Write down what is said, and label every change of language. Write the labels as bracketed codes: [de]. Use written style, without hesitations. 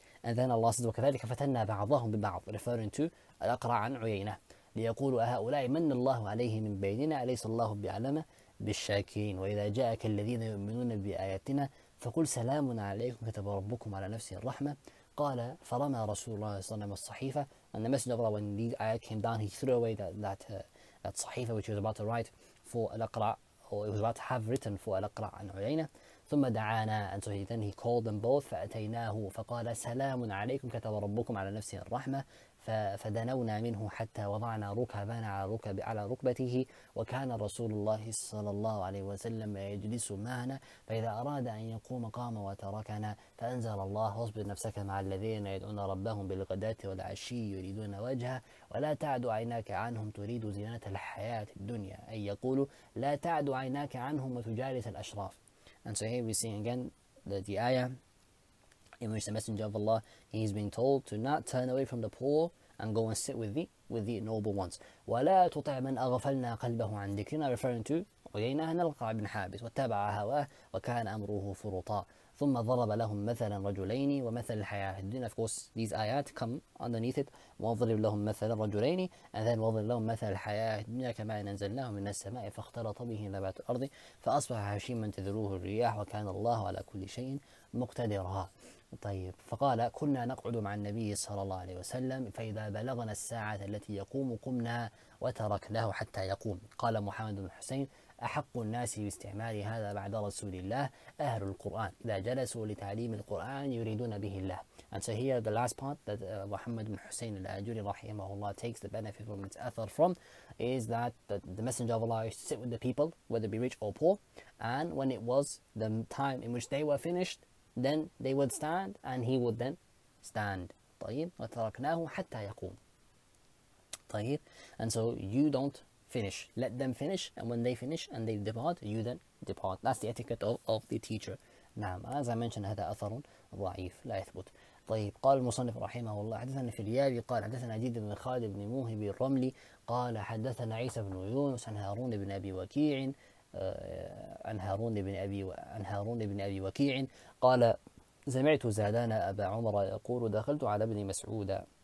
[en] And then Allah says, [ar] وَكَذَلِكَ فَتَنَّا بَعْضَهُمْ بِبَعْضٍ, [en] referring to [ar] الْأَقْرَى عَنْ عُيَيْنَةٍ لِيَقُولُ أَهَؤُلَاءِ مَنَّ اللَّهُ عَلَيْهِمْ مِنْ بَيْنِنَا أَلَيْسَ اللَّهُ بِأَعْلَمَ بِالشَّاكِرِينَ وَإِذَا جَاءَكَ الَّذِينَ يُؤْمِنُونَ بِآيَاتِنَا فَقُلْ سَلَامٌ عَلَيْكُمْ كَتَبَ رَبُّكُمْ عَلَى نَفْسِهِ الرَّحْمَةَ قال فرمى رسول الله صلى الله عليه وسلم الصحيفة. [en] And the messenger of Allah, when the ayah came down, he threw away that صحيفة which he was about to write for الأقرع, or he was about to have written for الأقرع عن عيينة. [ar] ثم دعانا, [en] and so then he called them both. [ar] فأتيناه فقال سلام عليكم كتب ربكم على نفسه الرحمة فدنونا منه حتى وضعنا ركبانا على ركبته وكان رسول الله صلى الله عليه وسلم يجلس معنا فإذا أراد أن يقوم قام وتركنا فأنزل الله واصبر نفسك مع الذين يدعون ربهم بالغداة والعشي يريدون وجهه ولا تعد عيناك عنهم تريد زينة الحياة الدنيا أي يقول لا تعد عيناك عنهم وتجالس الأشراف. [en] And so here we see again the ayah in which the messenger of Allah, he's been told to not turn away from the poor and go and sit with the noble ones. [ar] وَلَا تُطِعْ مَنْ أَغَفَلْنَا قَلْبَهُ عَنْ ذِكْرِنَا, [en] referring to [ar] عُيَيْنَا هَنَلْقَى بْنْ حَابِسِ وَاتَّبَعَ هَوَاهُ وَكَانَ أَمْرُهُ فُرُطًا ثُمَّ ضَرَبَ لَهُمْ مَثَلًا رَجُلَيْنِ وَمَثَلَ الْحَيَاةِ الدُّنْيَا. [en] Of course, these ayat come underneath it. [ar] وَضَرِبْ لَهُمْ مَثَلًا رَجُلَيْنِ, [en] and then [ar] وَضَرِبْ لَهُمْ مَثَلَ الْحَيَاةِ الدُّنْيَا كَمَا نَزَلْنَاهُ مِنَ السَّمَاءِ فَاخْتَلَطَ بِهِ نَبَاتُ الْأَرْضِ فَأَصْبَحَ هَشِيمًا تَذْرُوهُ الرِّيَاحُ وَكَانَ اللَّهُ عَلَى كُلِّ شَيْءٍ مُقْتَدِرًا. طيب, فقال كنا نقعد مع النبي صلى الله عليه وسلم فإذا بلغنا الساعة التي يقوم قمنا وتركناه حتى يقوم. قال محمد بن حسين أحق الناس باستعمال هذا بعد رسول الله أهل القرآن إذا جلسوا لتعليم القرآن يريدون به الله. [en] And so here the last part that Muhammad ibn Hussein al-Ajuri رحمه الله takes the benefit from its author from is that the messenger of Allah used to sit with the people, whether it be rich or poor, and when it was the time in which they were finished, then they would stand, and he would then stand. [ar] طيب وتركناه حتى يقوم. [en] طيب, and so you don't finish. Let them finish, and when they finish and they depart, you then depart. That's the etiquette of the teacher. [ar] نعم, [en] as I mentioned, [ar] هذا أثر ضعيف لا يثبت. طيب, قال المصنف رحمه الله حدثنا فيليابي قال حدثنا عديد بن خالد بن موهب الرملي قال حدثنا عيسى بن يونس عن هارون بن أبي وكيع عن هارون بن أبي وكيع قال سمعت زادان أبا عمر يقول دخلت على ابن مسعود